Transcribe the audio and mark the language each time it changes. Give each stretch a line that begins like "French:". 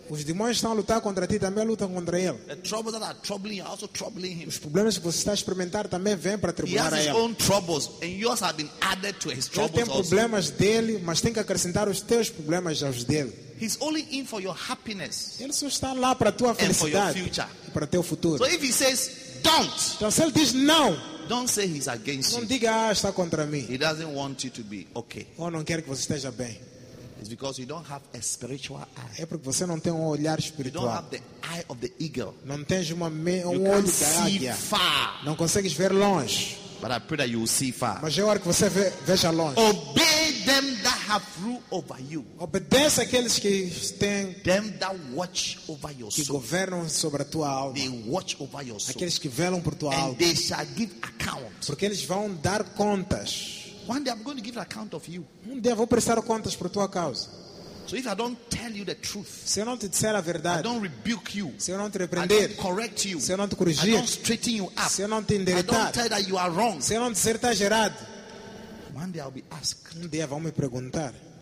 Portuguese: Os demônios estão a lutar contra ti também lutam contra ele.
English: The troubles that are troubling you are also troubling him.
Portuguese: Os problemas que você está a experimentar também vêm para tribular a ele.
English: He has his own troubles and yours have been added to his troubles.
Portuguese: Ele tem problemas
English: also.
Portuguese: Dele, mas tem que acrescentar os teus problemas aos dele.
English: He's only in for your happiness.
Portuguese: Ele só está lá para tua felicidade.
English: And for your future.
Portuguese: Para teu futuro.
English: So if he says don't.
Portuguese: Então, se ele diz não.
English: Don't say he's against
Portuguese: não
English: you.
Portuguese: Não diga ah, está contra mim.
English: He doesn't want you to be okay.
Portuguese: Ou não quer que você esteja bem.
English: It's because you don't have a spiritual eye.
Portuguese: É porque você não tem olhar espiritual.
English: You don't have the eye of the eagle.
Portuguese: Não tens olho da águia.
English: Far.
Portuguese: Não consegues ver longe.
English: But I pray that you will see far.
Portuguese: Mas eu oro que você veja longe.
English: Obey them that have rule over you.
Portuguese: Obedece aqueles que têm.
English: Them that watch over your soul.
Portuguese: Que governam sobre a tua alma.
English: They watch over your soul.
Portuguese: Aqueles que velam por tua
English: and
Portuguese: alma.
English: And they shall give account.
Portuguese: Porque eles vão dar contas.
English: One day I'm going to give account of you.
Portuguese: Um dia vou prestar contas por tua causa.
English: So if I don't tell you the truth,
Portuguese: se eu não te disser a verdade,
English: I don't rebuke you,
Portuguese: se eu não te repreender,
English: I don't correct you,
Portuguese: se eu não te corrigir,
English: I don't straighten you up,
Portuguese: se eu não te endireitar,
English: I don't tell that you are wrong,
Portuguese: se eu não dizer que estás errado,
English: one day I'll be asked.
Portuguese: Um dia vão me perguntar.